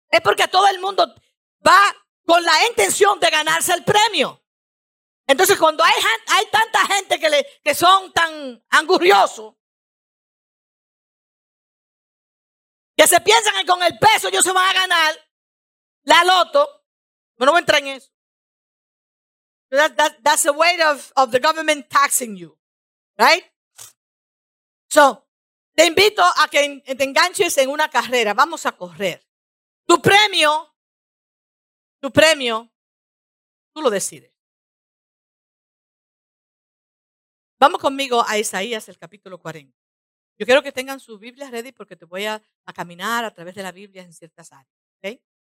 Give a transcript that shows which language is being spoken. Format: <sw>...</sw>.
<es>Es porque todo el mundo va con la intención de ganarse el premio. Entonces, cuando hay tanta gente que son tan angurriosos, que se piensan que con el peso ellos se van a ganar la loto, pero no voy a entrar en eso.</es> <en>That's the weight of the government taxing you, right?</en> <es>So, te invito a que te enganches en una carrera. Vamos a correr. Tu premio, tú lo decides. Vamos conmigo a Isaías, el capítulo 40. Yo quiero que tengan sus Biblias ready porque te voy a caminar a través de la Biblia en ciertas áreas. ¿Okay?</es>